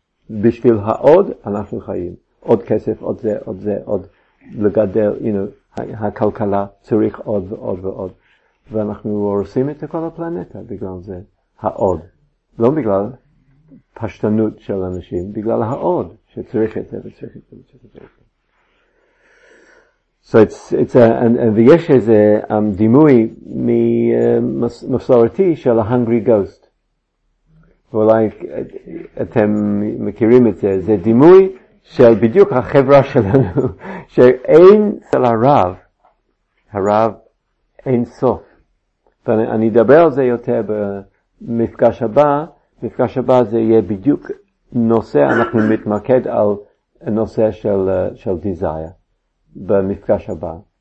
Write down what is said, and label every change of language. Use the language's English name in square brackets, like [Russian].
[Hebrew] בשביל העוד אנחנו חיים. עוד כסף, עוד זה, עוד זה, עוד לגדל, [English] you know, [Hebrew] הכלכלה צריך עוד ועוד ועוד. ואנחנו הורסים את כל הפלנטה בגלל זה, העוד. לא בגלל פשטנות של אנשים, בגלל העוד שצריך את זה וצריך את זה וצריך את זה. [English] So it's a and [Hebrew] ויש איזה דימוי ממסורתי של [English] a hungry ghost. [Hebrew] ואולי אתם מכירים את זה, זה דימוי של בדיוק החברה שלנו, שאין של הרב, הרב אין סוף. ואני אדבר על זה יותר במפגש הבא, מפגש הבא זה יהיה בדיוק נושא, אנחנו מתמקד על נושא של desire. במפגש הבא.